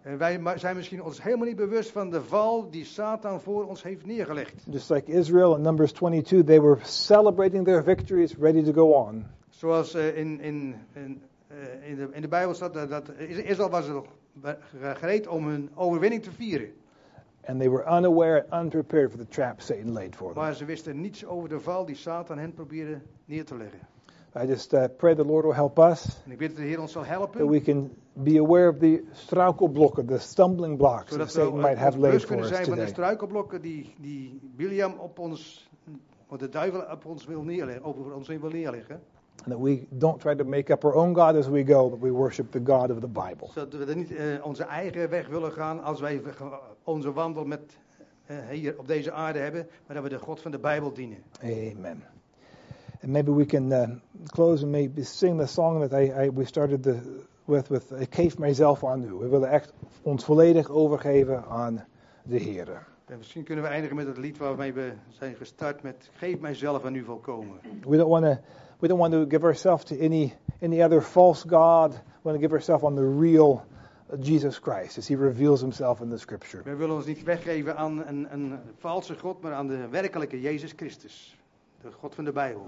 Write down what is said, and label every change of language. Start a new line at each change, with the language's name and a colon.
Dutch: En wij zijn misschien ons helemaal niet bewust van de val die Satan voor ons heeft neergelegd.
English: Just like Israel in Numbers 22, they were celebrating their victories, ready to go on.
Dutch: Zoals in de Bijbel staat dat Israël was gereed om hun overwinning te vieren.
English: And they were unaware and unprepared for the trap Satan laid for them.
Dutch: Maar ze wisten niets over de val die Satan hen probeerde neer te leggen.
English: I just pray the Lord will help us.
Dutch: En ik bid dat de Heer ons zal helpen.
English: That we can be aware of the struikelblokken, the stumbling blocks that Satan might have laid for us today.
Dutch: Zodat we bewust kunnen zijn van de struikelblokken die Bilaam op ons, wat de duivel op ons wil neerleggen, over ons wil neerleggen.
English: And that we don't try to make up our own God as we go, but we worship the God of the Bible.
Dutch: Zodat we niet onze eigen weg willen gaan als wij onze wandel met hier op deze aarde hebben, maar dat we de God van de Bijbel dienen.
English: Amen. And maybe we can close and maybe sing the song that we started with I gave myself anew.
Dutch: We willen echt ons volledig overgeven aan de Heer. En misschien kunnen we eindigen met het lied waarmee we zijn gestart met geef mijzelf aan u volkomen.
English: We don't want to give ourselves to any other false god. We want to give ourselves on the real Jesus Christ as he reveals himself in the scripture.
Dutch: We willen ons niet weggeven aan een valse god, maar aan de werkelijke Jezus Christus, de God van de Bijbel.